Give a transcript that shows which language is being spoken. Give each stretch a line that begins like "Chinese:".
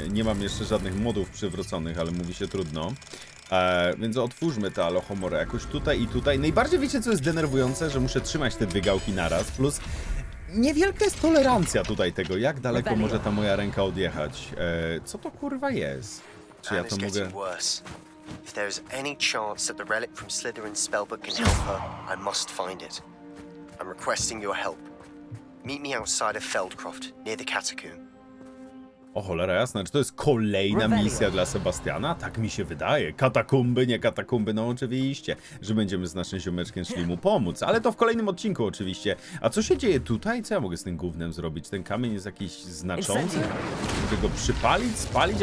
Polish: Nie mam jeszcze żadnych modów przywróconych, ale mówi się trudno. Więc otwórzmy te alohomorę jakoś tutaj i tutaj. Najbardziej wiecie, co jest denerwujące? Że muszę trzymać te dwie gałki naraz, plus niewielka jest tolerancja tutaj tego, jak daleko może ta moja ręka odjechać. Co to kurwa jest? Czy ja to mogę...
English: If there is any chance that the relic from Slytherin's spellbook can help her, I must find it. I'm requesting your help. Meet me outside of Feldcroft, near the catacomb.
Polish: O cholera jasna, czy to jest kolejna misja dla Sebastiana? Tak mi się wydaje. Katakumby, nie katakumby, no oczywiście, że będziemy z naszym ziomeczkiem szli mu pomóc. Ale to w kolejnym odcinku oczywiście. A co się dzieje tutaj? Co ja mogę z tym gównem zrobić? Ten kamień jest jakiś znaczący? Mogę go przypalić, spalić?